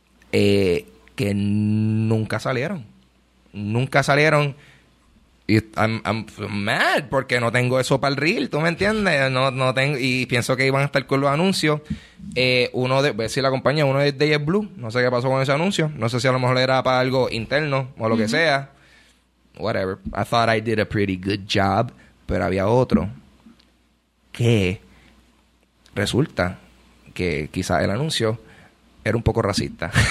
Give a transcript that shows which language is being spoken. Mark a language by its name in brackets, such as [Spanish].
[Spanish] Que nunca salieron. Nunca salieron. Y [English] I'm mad [Spanish] porque no tengo eso para el reel, ¿tú me entiendes? No tengo, y pienso que iban a estar con los anuncios. Uno de, ver si la compañía, uno es de JetBlue. No sé qué pasó con ese anuncio. No sé si a lo mejor era para algo interno o lo mm-hmm. que sea. [English] Whatever. I thought I did a pretty good job. [Spanish] Pero había otro que resulta que quizás el anuncio era un poco racista.